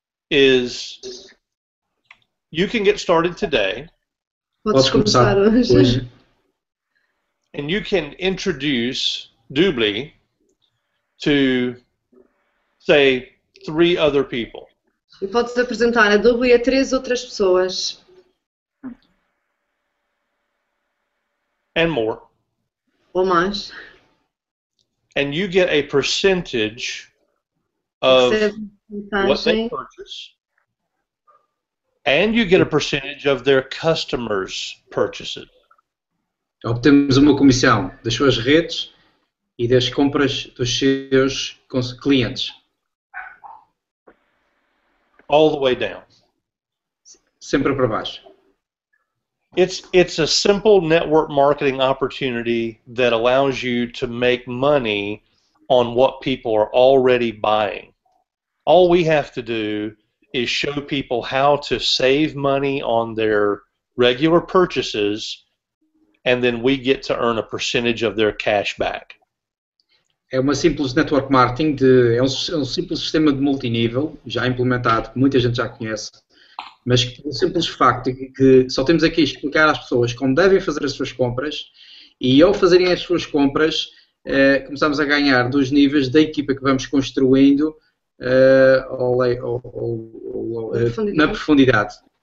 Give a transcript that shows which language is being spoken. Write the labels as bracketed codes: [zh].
[en] Is you can get started today. Let's [pt] começar hoje. [en] And you can introduce Doobly to, say, three other people. [pt] E podes apresentar a Doobly a três outras pessoas. [en] And more. [pt] Ou mais. [en] And you get a percentage of what they purchase. And you get a percentage of their customers' purchases. [pt] Obtemos uma comissão das suas redes e das compras dos seus clientes. [en] All the way down. [pt] Sempre para baixo. [en] It's a simple network marketing opportunity that allows you to make money on what people are already buying. All we have to do is show people how to save money on their regular purchases, and then we get to earn a percentage of their cash back. [pt] É uma simples network marketing, é um simples sistema de multinível, já implementado, que muita gente já conhece, mas que o simples facto é que só temos aqui a explicar às pessoas como devem fazer as suas compras, e ao fazerem as suas compras, começamos a ganhar dos níveis da equipa que vamos construindo na profundidade.